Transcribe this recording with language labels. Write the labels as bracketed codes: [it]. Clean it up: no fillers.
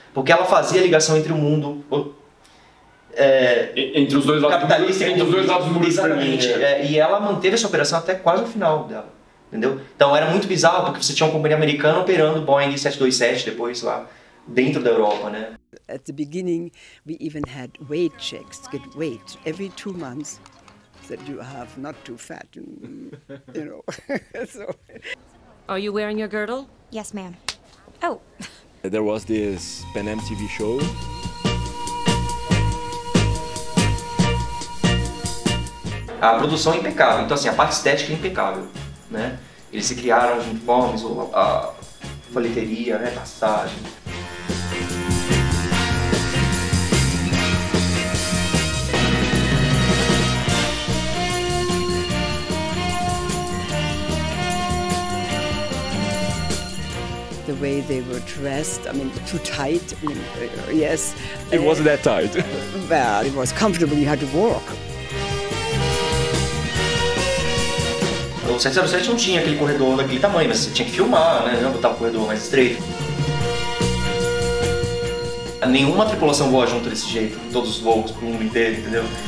[pt] Porque ela fazia a ligação entre o mundo entre os dois capitalista lados, entre os dois lados do mundo. Exatamente. E ela manteve essa operação até quase o final dela. Entendeu? Então era muito bizarro, porque você tinha uma companhia americana operando Boeing 727 depois lá dentro da Europa, né? [en] At the beginning, we even had weight checks, get weight every 2 months, that you have not too fat, and, you know. So. Are you wearing your girdle? Yes, ma'am. Oh. There was this Pan Am TV show. [pt] A produção é impecável. Então, assim, a parte estética é impecável, né? Eles se criaram os uniformes, a folheteria, né, passagem. [en] The way they were dressed, I mean, too tight, I mean, yes. It wasn't that tight. Well, it was comfortable, you had to walk. [pt] O 707 não tinha aquele corredor daquele tamanho, mas você tinha que filmar, né? Não botar o corredor mais estreito. Nenhuma tripulação voa junto desse jeito, todos os voos pro mundo inteiro, entendeu?